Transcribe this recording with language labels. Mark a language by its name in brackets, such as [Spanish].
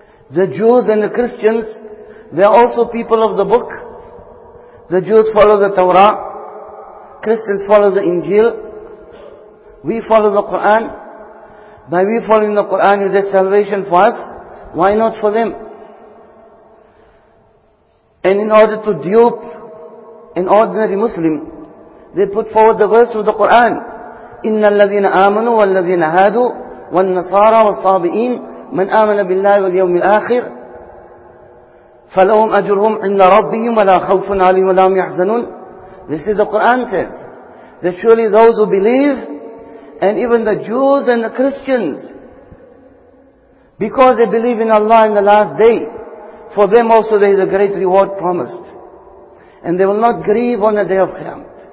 [English] The Jews and the Christians, they are also people of the book. The Jews follow the Torah, Christians follow the Injil, we follow the Quran. By we following the Quran, is there salvation for us? Why not for them? And in order to dupe an ordinary Muslim, they put forward the verse of the Quran, [Arabic] إِنَّ الَّذِينَ آمَنُوا وَالَّذِينَ هَادُوا وَالنَّصَارَى وَالصَّابِئِينَ مَنْ آمَنَ بِاللَّهِ وَالْيَوْمِ الْآخِرِ فَلَهُمْ أَجُرْهُمْ عِنَّ رَبِّهِمْ وَلَا خَوْفٌ عَلِيمٌ وَلَا هُمْ يَحْزَنُونَ. [English] This is the Quran says, that surely those who believe, and even the Jews and the Christians, because they believe in Allah in the last day, for them also there is a great reward promised. And they will not grieve on the day of Qiyamah.